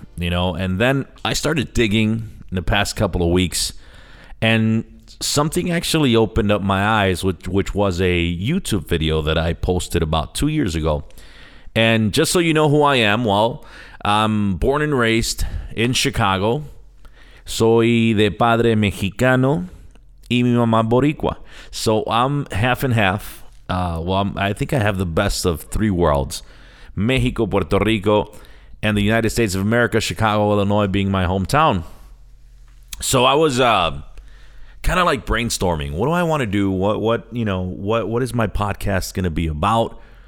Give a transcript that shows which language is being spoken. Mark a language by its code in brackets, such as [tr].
[en] You know, and then I started digging in the past couple of weeks, and something actually opened up my eyes, which was a YouTube video that I posted about 2 years ago. And just so you know who I am, well, I'm born and raised in Chicago. [es] Soy de padre mexicano y mi mamá boricua. [en] So I'm half and half. I think I have the best of three worlds: Mexico, Puerto Rico, and the United States of America, Chicago, Illinois being my hometown. So I was kind of like brainstorming. What do I want to do? What is my podcast going to be about?